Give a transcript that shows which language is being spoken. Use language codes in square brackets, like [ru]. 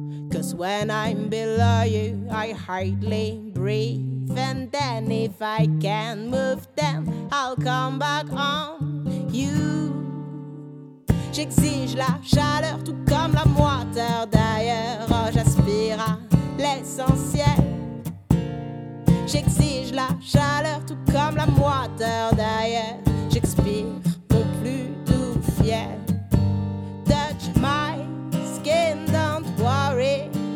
[en] 'Cause when I'm below you, I hardly breathe. And then if I can move, then I'll come back on you. [fr] J'exige la chaleur, tout comme la moiteur d'ailleurs. Oh, j'aspire à l'essentiel. J'exige la chaleur, tout comme la moiteur d'ailleurs. J'expire mon plus doux fiel. [en] Touch my skin, don't worry.